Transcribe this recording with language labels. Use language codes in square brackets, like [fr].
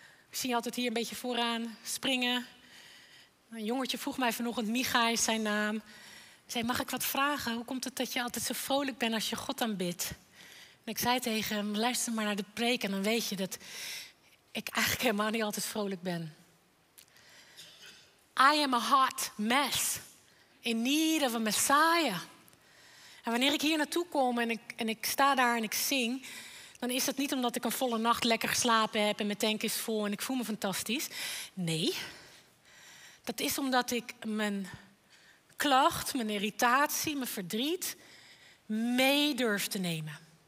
[nl] Ik zie je altijd hier een beetje vooraan springen. Een jongetje vroeg mij vanochtend, Micha is zijn naam. Ik zei, mag ik wat vragen? Hoe komt het dat je altijd zo vrolijk bent als je God aanbidt? En ik zei tegen hem, luister maar naar de preek en dan weet je dat ik eigenlijk helemaal niet altijd vrolijk ben. [en] I am a hot mess in need of a Messiah. [nl] En wanneer ik hier naartoe kom en ik sta daar en ik zing, dan is dat niet omdat ik een volle nacht lekker geslapen heb en mijn tank is vol en ik voel me fantastisch. Nee, dat is omdat ik mijn klacht, mijn irritatie, mijn verdriet mee durf te nemen.